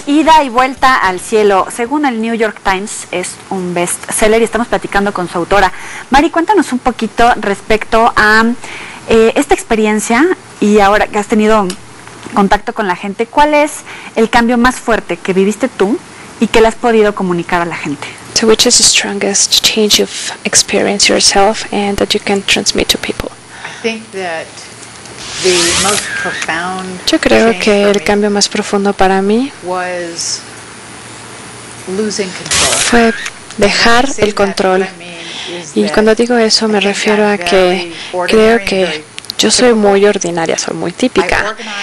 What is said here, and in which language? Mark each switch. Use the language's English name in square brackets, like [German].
[Spanish] Ida y Vuelta al Cielo, según el New York Times, es un bestseller y estamos platicando con su autora. Mari, cuéntanos un poquito respecto a esta experiencia y ahora que has tenido contacto con la gente, ¿cuál es el cambio más fuerte que viviste tú y que le has podido comunicar a la gente? [English] So which is the strongest change you've experienced yourself and that you can transmit to people? I think that the most profound [Spanish] Yo creo que el cambio más profundo para mí [English] was losing control. [Spanish] Fue dejar el control. Y cuando digo eso me refiero a que creo que yo soy muy ordinaria, soy muy típica.